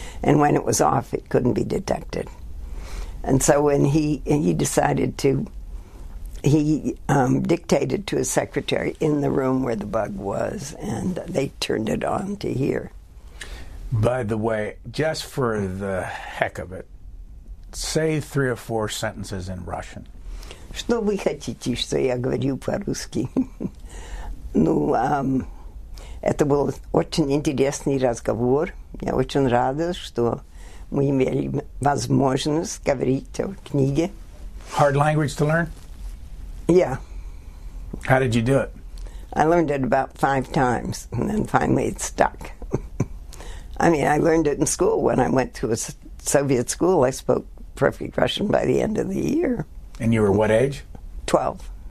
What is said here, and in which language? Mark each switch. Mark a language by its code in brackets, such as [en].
[en] And when it was off, it couldn't be detected. And so when he dictated to his secretary in the room where the bug was, and they turned it on to hear. By the way, just for the heck of it, say three or four sentences in Russian. [ru] Что вы хотите, что я говорю по-русски? Ну, это был очень интересный разговор. Я очень рада, что мы имели возможность говорить о книге. [en] Hard language to learn? Yeah. How did you do it? I learned it about five times, and then finally it stuck. I mean, I learned it in school. When I went to a Soviet school, I spoke perfect Russian by the end of the year. And you were what age? 12.